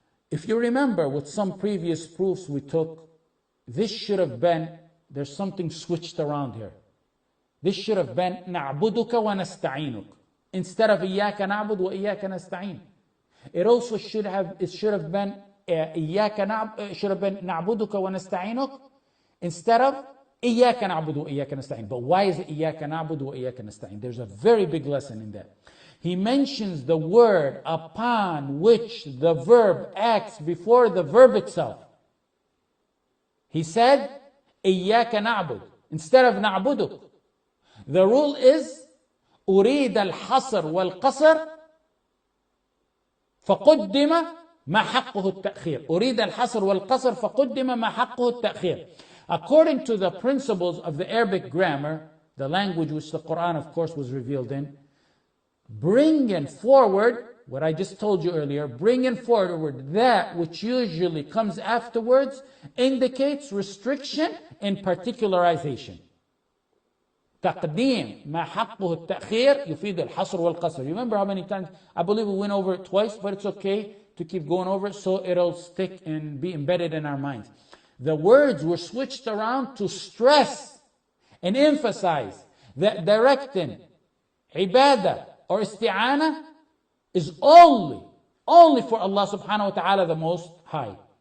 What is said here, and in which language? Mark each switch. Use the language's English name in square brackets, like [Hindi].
[English] If you remember with some previous proofs we took, this should have been, there's something switched around here. This should have been [Arabic] نَعْبُدُكَ وَنَسْتَعِينُكَ [English] instead of [Arabic] إِيَّاكَ نَعْبُدُ وَإِيَّاكَ نَسْتَعِينَ. [English] It also should have, it should have been [Arabic] إِيَّاكَ نَعْبُدُكَ وَنَسْتَعِينُكَ [English] instead of [Arabic] إياك نعبد وإياك نستعين. [English] But why is [Arabic] إياك نعبد وإياك نستعين? [English] There's a very big lesson in that. He mentions the word upon which the verb acts before the verb itself. He said, [Arabic] إياك نعبد [English] instead of [Arabic] نعبدك. [English] The rule is, [Arabic] أريد الحصر والقصر فقدم ما حقه التأخير. أريد الحصر والقصر فقدم ما حقه التأخير. [English] According to the principles of the Arabic grammar, the language which the Quran, of course, was revealed in, bring in forward, what I just told you earlier, bring in forward that which usually comes afterwards indicates restriction and particularization. [Arabic] تقديم ما حقه التأخير يفيد الحصر والقصر. [English] You remember how many times? I believe we went over it twice, but it's okay to keep going over it so it'll stick and be embedded in our minds. The words were switched around to stress and emphasize that directing ibadah or isti'ana is only for Allah subhanahu wa ta'ala, the Most High.